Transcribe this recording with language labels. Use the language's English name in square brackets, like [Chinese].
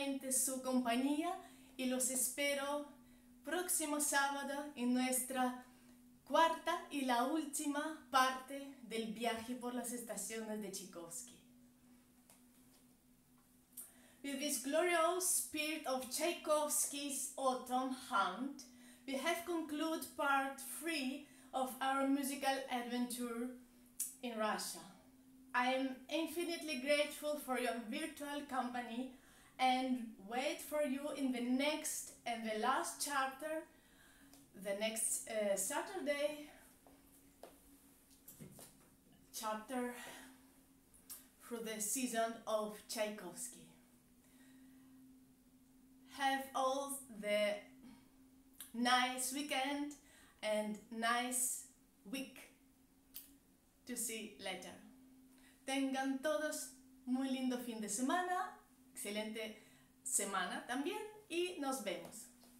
[Spanish] Su compañía y los espero próximo sábado en nuestra cuarta y la última parte del viaje por las estaciones de Tchaikovsky. [English] With this glorious spirit of Tchaikovsky's Autumn Hunt, we have concluded part 3 of our musical adventure in Russia. I am infinitely grateful for your virtual company and wait for you in the next and the last chapter, the next Saturday, chapter for the season of Tchaikovsky. Have all the nice weekend and nice week to see later. [Spanish] Tengan todos muy lindo fin de semana. Excelente semana también y nos vemos.